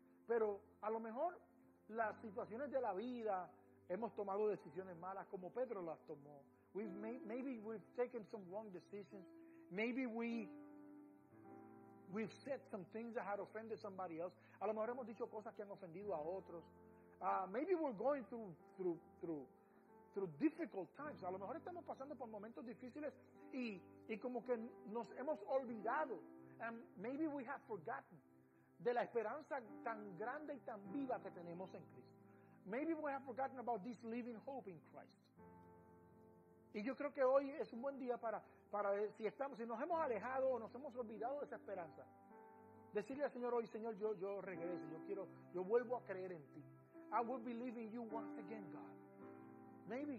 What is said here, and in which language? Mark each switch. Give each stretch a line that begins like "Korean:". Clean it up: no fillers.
Spanish: Pero a lo mejor las situaciones de la vida, hemos tomado decisiones malas como Pedro las tomó.
English: Maybe we've taken some wrong decisions. Maybe we've said some things that had offended somebody else.
Spanish: A lo mejor hemos dicho cosas que han ofendido a otros.
English: Maybe we're going through difficult times.
Spanish: A lo mejor estamos pasando por momentos difíciles y como que nos hemos olvidado.
English: And maybe we have forgotten
Spanish: de la esperanza tan grande y tan viva que tenemos en Cristo.
English: Maybe we have forgotten about this living hope in Christ.
Spanish: Y yo creo que hoy es un buen día para si nos hemos alejado o nos hemos olvidado de esa esperanza, decirle al Señor hoy, Señor, yo regreso, yo vuelvo a creer en ti.
English: I will believe in you once again, God.